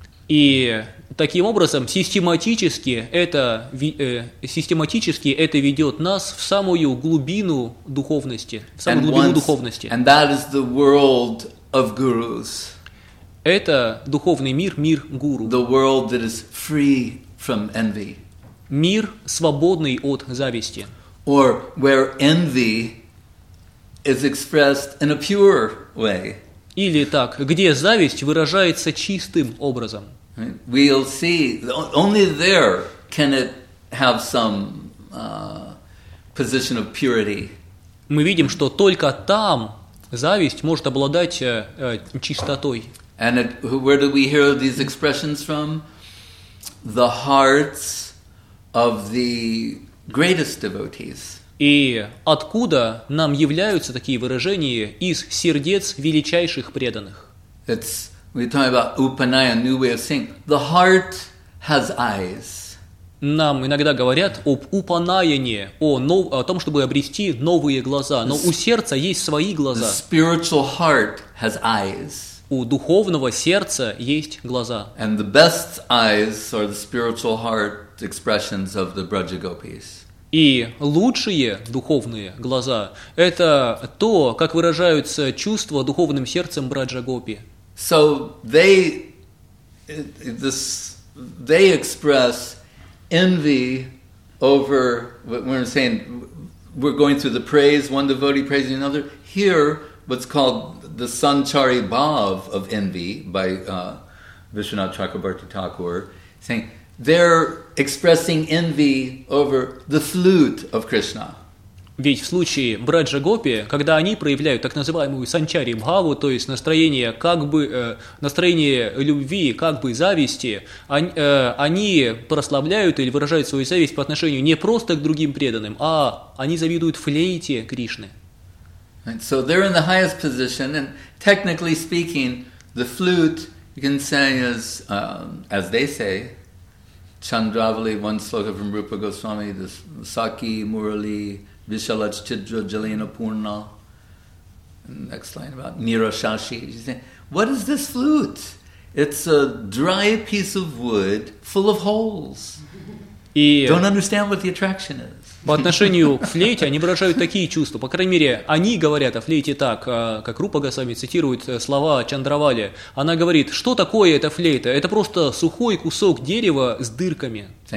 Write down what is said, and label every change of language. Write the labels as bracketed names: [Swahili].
[Russian] И таким образом, систематически это ведет нас в самую глубину духовности. В самую глубину духовности. [English] And that is the world of gurus. [Russian] Это духовный мир, мир гуру. [English] The world that is free from envy. [Russian] Мир, свободный от зависти. [English] Or where envy is expressed in a pure way. [Russian] Или так, где зависть выражается чистым образом. [English] We'll see. Only there can it have some position of purity. [Russian] Мы видим, что только там зависть может обладать чистотой. [English] And where do we hear these expressions from? The hearts of the greatest devotees. [Russian] И откуда нам являются такие выражения из сердец величайших преданных? [English] It's we talk about upanaya, new way of seeing. The heart has eyes. [Russian] Нам иногда говорят об упанаяне, о том, чтобы обрести новые глаза. Но у сердца есть свои глаза. [English] The spiritual heart has eyes. [Russian] У духовного сердца есть глаза. [English] And the best eyes are the spiritual heart expressions of the Brajagopis. [Russian] И лучшие духовные глаза – это то, как выражаются чувства духовным сердцем Браджа-гопи. [English] So they express envy over what we're saying. We're going through the praise, one devotee praising another. Here, what's called the Sanchari Bhav of envy by Vishwanath Chakrabarti Thakur, saying they're expressing envy over the flute of Krishna. [Russian] Ведь в случае Браджа-гопи, когда они проявляют так называемую санчари-бхаву, то есть настроение, как бы, настроение любви, как бы зависти, они прославляют или выражают свою зависть по отношению не просто к другим преданным, а они завидуют флейте Кришны. [English] And so they're in the highest position, and technically speaking, the flute, you can say, is, as they say, Chandravali, one sloka from Rupa Goswami, this [Sanskrit] Saki, Murali, Vishalaj Chidra Jalina Purna. [English] Next line about Nirashashi. She's saying, what is this flute? It's a dry piece of wood full of holes. Don't understand what the attraction is. [Russian] По отношению к флейте они выражают такие чувства. По крайней мере, они говорят о флейте так, как Рупа Госвами цитирует слова Чандравали. Она говорит, что такое эта флейта? Это просто сухой кусок дерева с дырками.